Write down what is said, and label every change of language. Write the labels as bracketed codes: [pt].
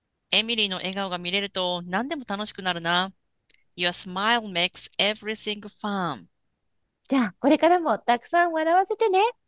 [ja] エミリーの笑顔が見れると何でも楽しくなるな。 [en] Your smile makes everything fun. [ja] じゃあこれからもたくさん笑わせてね。